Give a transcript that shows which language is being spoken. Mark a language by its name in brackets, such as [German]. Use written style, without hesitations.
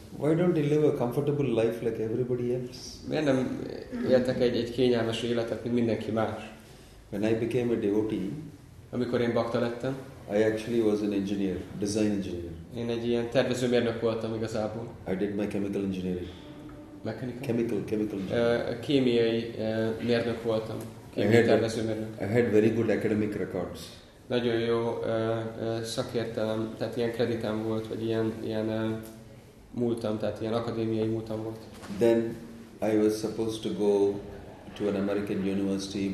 [English] Why don't they live a comfortable life like everybody else? [Hungarian] Miért nem éltek egy kényelmes életet, mint mindenki más? [English] When I became a devotee, [Hungarian] amikor én bakta lettem, [English] I actually was an engineer, design engineer. [Hungarian] Én egy ilyen tervezőmérnök voltam igazából. [English] I did my chemical engineering. Mechanical? Chemical engineering. [Hungarian] Kémiai mérnök voltam. [English] I had very good academic records. [Hungarian] Nagyon jó szakértelem, tehát ilyen kreditem volt, vagy ilyen múltam, tehát ilyen akadémiai múltam volt. [English] Then I was supposed to go to an American university.